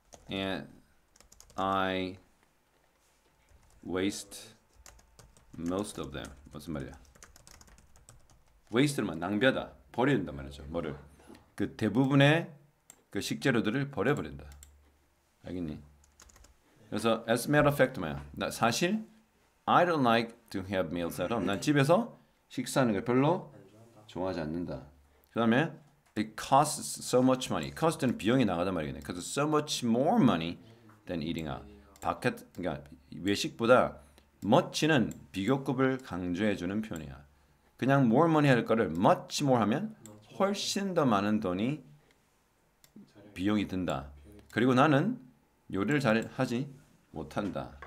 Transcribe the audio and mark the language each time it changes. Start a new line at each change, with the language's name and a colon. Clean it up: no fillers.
English: And I waste most of them.
Korean: 무슨 말이야? Waste를 낭비하다. 버린다 말이죠. 뭐를? 그 대부분의 그 식재료들을 버려버린다. 알겠니? 그래서
English: as a matter of fact,
Korean: 뭐야? 나 사실
English: I don't like to have meals at home.
Korean: 난 집에서 식사하는 걸 별로 좋아하지 않는다. 그 다음에
English: it costs so much money. cost는
Korean: 비용이 나가단 말이겠네.
English: cost so much more money than eating out.
Korean: 바깥, 그러니까 외식보다 much는 비교급을 강조해주는 표현이야. 그냥
English: more money
Korean: 할 거를
English: much more
Korean: 하면 훨씬 더 많은 돈이 비용이 든다. 그리고 나는 요리를 잘 하지 못한다.